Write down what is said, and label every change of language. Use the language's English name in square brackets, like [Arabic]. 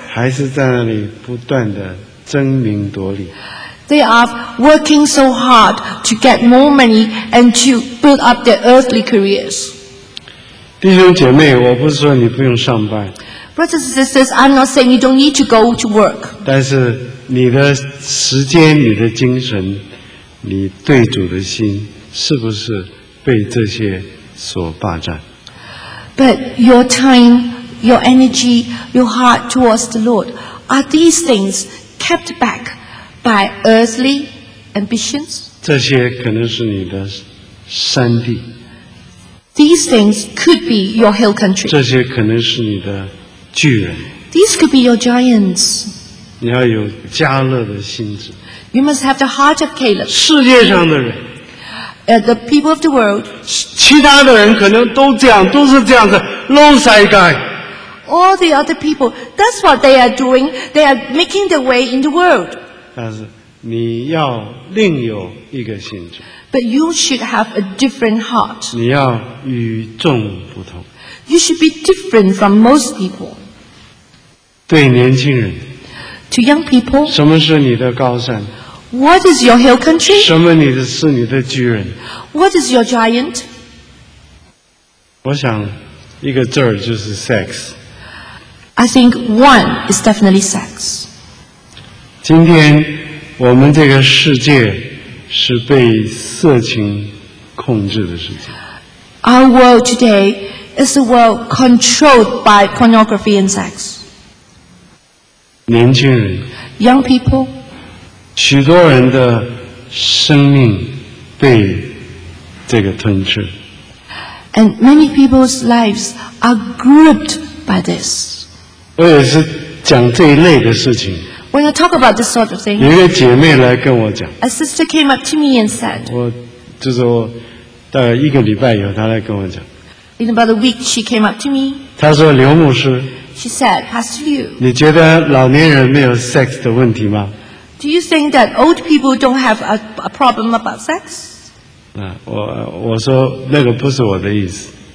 [Chinese] 还是在那里不断的争名夺利。 [English] They are working so hard to get more money and to build up their earthly careers. [Chinese] 弟兄姐妹，我不是说你不用上班。 [English] Brothers and sisters, I'm not saying you don't need to go to work. [Chinese] 但是你的时间、你的精神、你对主的心，是不是被这些所霸占？ [English] But your time, your energy, your heart towards the Lord, are these things kept back by earthly ambitions? [Chinese] 这些可能是你的山地。 [English] These things could be your hill country. [Chinese] 这些可能是你的巨人。 [English] These could be your giants. [Chinese] 你要有加勒的心志。 [English] You must have the heart of Caleb. [Chinese] 世界上的人。 [English] The people of the world. [Chinese] 其他的人可能都这样，都是这样的 [English] low side guy. All the other people, that's what they are doing. They are making their way in the world. [Chinese] 但是你要另有一个心志。 [English] But you should have a different heart. [Chinese] 你要与众不同。 [English] You should be different from most people. [Chinese] 对年轻人。 [English] To young people. [Chinese] 什么是你的高山？ [English] What is your hill country? [Chinese] 什么你的是你的巨人？ [English] What is your giant? [Chinese] 我想一个字就是 sex. [English] I think one is definitely sex. [Chinese] 今天我们这个世界是被色情控制的世界。 [English] Our world today is a world controlled by pornography and sex. [Chinese] 年轻人。 [English] Young people. [Chinese] 许多人的生命被这个吞噬。 [English] And many people's lives are gripped by this. [Chinese] 我也是讲这一类的事情。 [English] When I talk about this sort of thing, [Chinese] 有一个姐妹来跟我讲。 [English] A sister came up to me and said, [Chinese] 我就是我大概一个礼拜以后她来跟我讲。 [English] In about a week, she came up to me. [Chinese] 她说刘牧师。 [English] She said, Pastor Liu, [Chinese] 你觉得老年人没有 sex 的问题吗？ [English] Do you think that old people don't have a problem about sex? [Chinese] 我说那个不是我的意思。